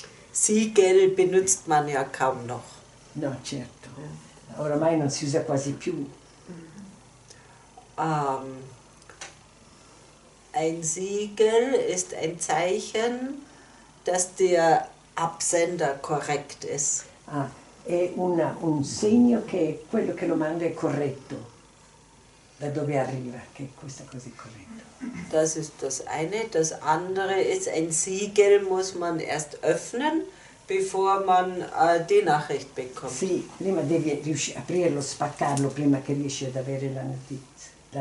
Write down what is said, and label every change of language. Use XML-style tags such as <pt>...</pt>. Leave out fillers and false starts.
<de>Siegel benutzt man ja kaum noch.</de> <it>No, certo. Oramai non si usa quasi più.</it> <de>Ein Siegel ist ein Zeichen, dass der Absender korrekt ist. Ah.</de> <it>È un segno che quello che lo manda è corretto, da dove arriva, che questa cosa è corretta.</it> <de>Das ist das eine. Das andere ist, ein Siegel muss man erst öffnen, bevor man die Nachricht bekommt.</de> <it>Sì, prima devi riuscire a aprirlo, spaccarlo, prima che riesci ad avere la notizia.</it>